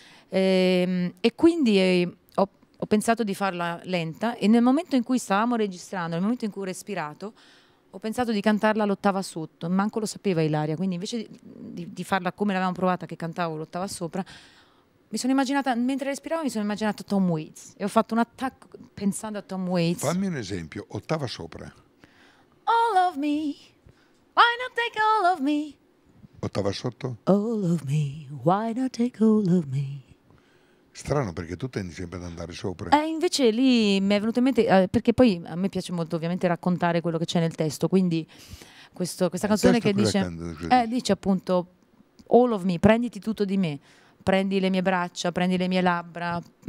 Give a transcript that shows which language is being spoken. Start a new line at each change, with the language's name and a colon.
Italian: E quindi ho pensato di farla lenta, e nel momento in cui stavamo registrando, nel momento in cui ho respirato, ho pensato di cantarla all'ottava sotto, manco lo sapeva Ilaria, quindi invece di farla come l'avevamo provata, che cantavo l'ottava sopra, mi sono immaginata, mentre respiravo, mi sono immaginata Tom Waits, e ho fatto un attacco pensando a Tom Waits. Fammi un esempio, ottava sopra.
English: All of me, why not take all of me?
Italian: Ottava sotto?
English: All of me, why not take all of me?
Italian: Strano, perché tu tendi sempre ad andare sopra. Invece lì mi è venuto in mente, perché poi a me piace molto ovviamente raccontare quello che c'è nel testo, quindi questa canzone che dice, dice appunto
English: all of me,
Italian: prenditi tutto di me, prendi le mie braccia, prendi le mie labbra,